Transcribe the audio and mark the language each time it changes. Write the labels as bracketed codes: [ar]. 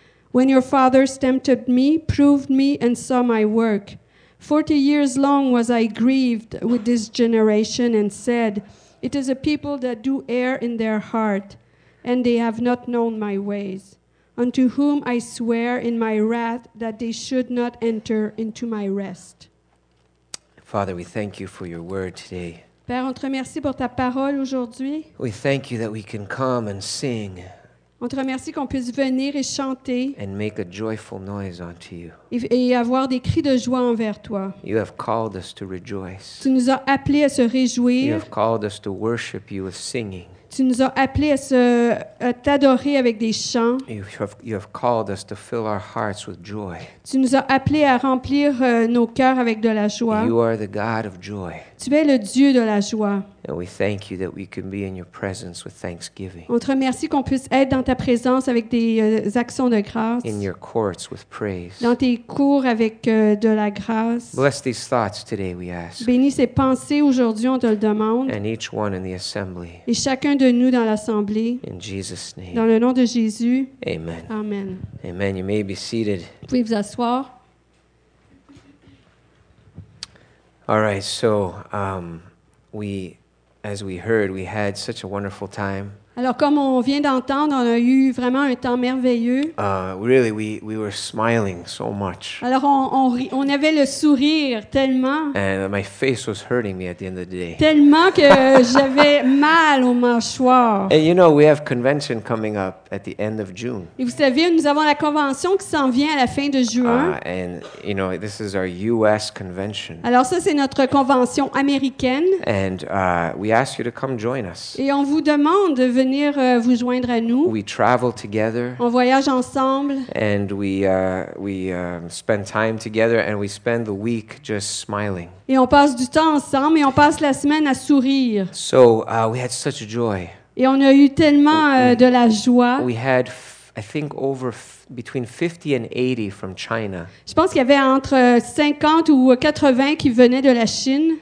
[en] When your fathers tempted me, proved me, and saw my work, 40 years long was I grieved with this generation, and said, it is a people that do err in their heart, and they have not known my ways. Unto whom I swear in my wrath that they should not enter into my rest. Father, we thank you for your word today. [fr] Père, on te remercie pour ta parole aujourd'hui. [en] We thank you that we can come and sing. [fr] On te remercie qu'on puisse venir et chanter. [en] And make a joyful noise unto you. [fr] Et avoir des cris de joie envers toi. [en] You have called us to rejoice. [fr] Tu nous as appelés à se réjouir. [en] You have called us to worship you with singing. [fr] Tu nous as appelés à t'adorer avec des chants. [en] You have called us to fill our hearts with joy. [fr] Tu nous as appelés à remplir nos cœurs avec de la joie. [en] You are the God of joy. [fr] Tu es le Dieu de la joie. [en] And we thank you that we can be in your presence with thanksgiving. [fr] On te remercie qu'on puisse être dans ta présence avec des actions de grâce. [en] In your courts with praise. [fr] Dans tes cours avec de la grâce. [en] Bless these thoughts today, we ask. [fr] Bénis ces pensées aujourd'hui, on te le demande. [en] And each one in the assembly. [fr] Et chacun de nous dans l'assemblée. [en] In Jesus' name. [fr] Dans le nom de Jésus. [en] Amen. [fr] Amen. [en] Amen. You may be seated. [fr] Vous pouvez vous asseoir. [en] All right, so as we heard, we had such a wonderful time. [fr] Alors comme on vient d'entendre, on a eu vraiment un temps merveilleux. [en] Really, we were smiling so much. [fr] Alors on avait le sourire tellement. [en] And my face was hurting me at the end of the day. [fr] Tellement que j'avais mal aux mâchoires. [en] And you know, we have convention coming up at the end of June. [fr] Et vous savez, nous avons la convention qui s'en vient à la fin de juin. [en] And you know, this is our U.S. convention. [fr] Alors ça, c'est notre convention américaine. [en] And we ask you to come join us. [fr] Et on vous demande de venir. venir vous joindre à nous. [en] We travel together. [fr] On voyage ensemble. [en] And we spend time together and we spend the week just smiling. [fr] Et on passe du temps ensemble et on passe la semaine à sourire. [en] So we had such joy. [fr] Et on a eu tellement de la joie. [en] We had I think between 50 and 80 from China. [fr] Je pense qu'il y avait entre 50 ou 80 qui venaient de la Chine.